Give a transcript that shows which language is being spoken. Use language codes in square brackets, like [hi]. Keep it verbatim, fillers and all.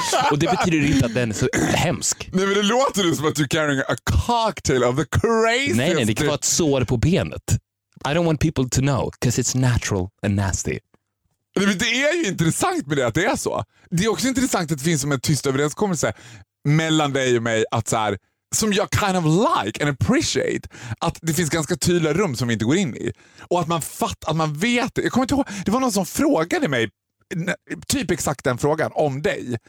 [sv] Och det betyder inte att den är så hemsk. Nej, men det låter ju som att du [en] carrying a cocktail of the craziest. [sv] Nej, nej, det kan vara ett sår på benet. [en] I don't want people to know, because it's natural and nasty. [sv] Nej, men det är ju intressant med det att det är så. Det är också intressant att det finns som en tyst överenskommelse mellan dig och mig att så här, som jag [en] kind of like and appreciate, [sv] att det finns ganska tydliga rum som vi inte går in i. Och att man fattar, att man vet det. Jag kommer inte ihåg, det var någon som frågade mig typ exakt den frågan om dig.